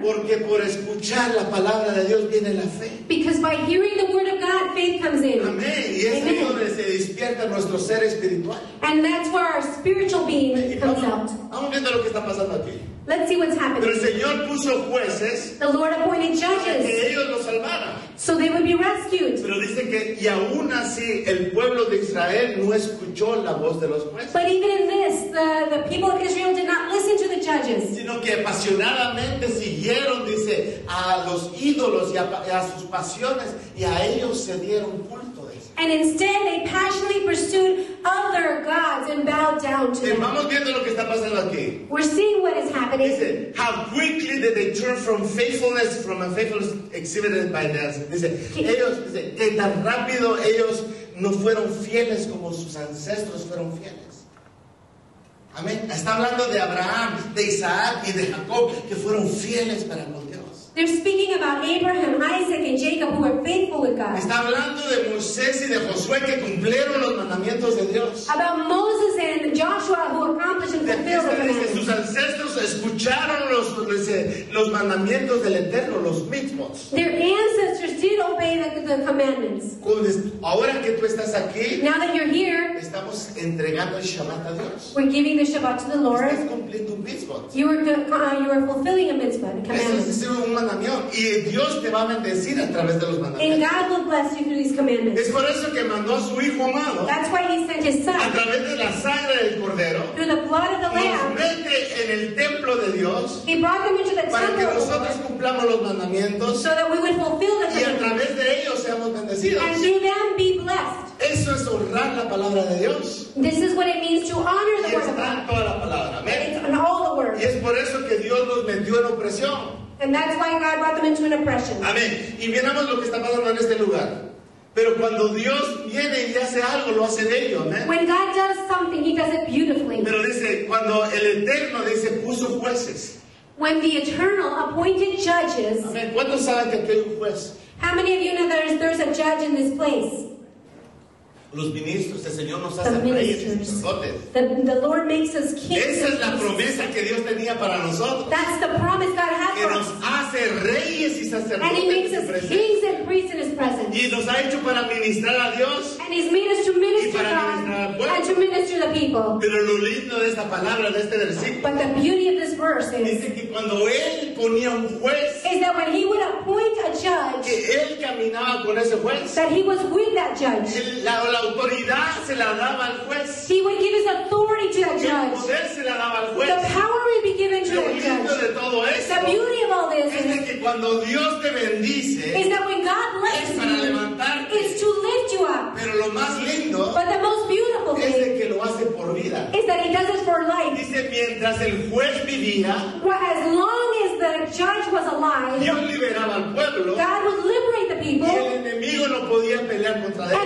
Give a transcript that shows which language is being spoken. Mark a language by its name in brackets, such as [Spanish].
[Spanish] Porque por escuchar la palabra de Dios viene la fe. [English] Because by hearing the word of God, faith comes in. [Spanish] Amén. Y es ahí donde se despierta nuestro ser espiritual. [English] And that's where our spiritual being comes out. [Spanish] Vamos viendo lo que está pasando aquí. [English] Let's see what's happening. [Spanish] Pero el Señor puso jueces. [English] The Lord appointed judges. [Spanish] Para que ellos lo salvaran. [English] So they would be rescued. [Spanish] Pero dice que y aún así el pueblo de Israel no escuchó la voz de los jueces. [English] But even in this, the people of Israel did not listen to the judges. [Spanish] Sino que apasionadamente siguieron, dice, a los ídolos y a sus pasiones y a ellos se dieron culto. [English] And instead, they passionately pursued other gods and bowed down to them. [Spanish] Vamos viendo lo que está pasando aquí. [English] We're seeing what is happening. [Spanish] Dice, [English] how quickly did they turn from faithfulness, from a faithfulness exhibited by them? [Spanish] Dice, ellos, dice, que tan rápido ellos no fueron fieles como sus ancestros fueron fieles. Amén. Está hablando de Abraham, de Isaac y de Jacob, que fueron fieles para con Dios. [English] They're speaking about Abraham, Isaac, and Jacob who were faithful with God. [Spanish] Está hablando de Moisés y de Josué que cumplieron los mandamientos de Dios. [English] About Moses and Joshua who accomplished and fulfilled the commandments. [Spanish] Sus ancestros escucharon los mandamientos del Eterno, los mismos. [English] Their ancestors did obey the commandments. [Spanish] Ahora que tú estás aquí, [English] now that you're here, [Spanish] estamos entregando el Shabbat a Dios. [English] We're giving the Shabbat to the Lord. [Spanish] Estás cumpliendo un mitzvot. [English] You are fulfilling a mitzvot, a commandment. [Spanish] Y Dios te va a bendecir a través de los mandamientos. [English] And God will bless you through these commandments. [Spanish] Es por eso que mandó a su hijo amado. [English] That's why he sent his son. [Spanish] A través de la sangre del cordero. [English] Through the blood of the lamb. [Spanish] Nos mete en el templo de Dios. [English] He brought them into the temple. [Spanish] Para que nosotros cumplamos los mandamientos. [English] So that we would fulfill the commandments. [Spanish] Y a través de ellos seamos bendecidos. [English] And through them be blessed. [Spanish] Eso es honrar la palabra de Dios. [English] This is what it means to honor the word. [Spanish] Y está en toda la palabra. Amén. [English] It's in all the word. [Spanish] Y es por eso que Dios nos metió en opresión. [English] And that's why God brought them into an oppression. [Spanish] Amén. Y miramos lo que está pasando en este lugar. Pero cuando Dios viene y hace algo, lo hace bello. Amén. [English] When God does something, he does it beautifully. [Spanish] Pero dice, cuando el Eterno dice, puso jueces. [English] When the Eternal appointed judges. [Spanish] Amén. ¿Cuántos saben que aquí hay un juez? [English] How many of you know that there's a judge in this place? [Spanish] Los ministros, el Señor nos hace reyes y sacerdotes. [English] The Lord makes us kings. [Spanish] Esa es la promesa que Dios tenía para nosotros. [English] That's the promise God has [Spanish] que [English] for us. [Spanish] Nos hace reyes y sacerdotes. [English] And he makes us kings and priests in his presence. [Spanish] Y nos ha hecho para ministrar a Dios. [English] And he's made us to minister to God and to minister to the people. [Spanish] Pero lo lindo de esta palabra, de este versículo. [English] But the beauty of this verse is. [Spanish] Dice que cuando él ponía un juez. [English] Is that when he would appoint a judge. [Spanish] Que él caminaba con ese juez. [English] That he was with that judge. [Spanish] La autoridad se la daba al juez. [English] He would give his authority to that judge. [Spanish] El poder se la daba al juez. [English] The power would be given to the judge. [Spanish] De todo esto, [English] the beauty of all this [Spanish] es de que cuando Dios te bendice, [English] is that when God blesses [Spanish] para [English] you, [Spanish] levantarte, [English] is to lift you up. [Spanish] Pero lo más lindo, [English] but the most beautiful [Spanish] es de que lo hace por vida. [English] Is that he does it for life. [Spanish] Dice, mientras el juez vivía, [English] well, as long as the judge was alive, [Spanish] Dios liberaba al pueblo, [English] God would liberate the people, [Spanish] y el enemigo no podía pelear contra él.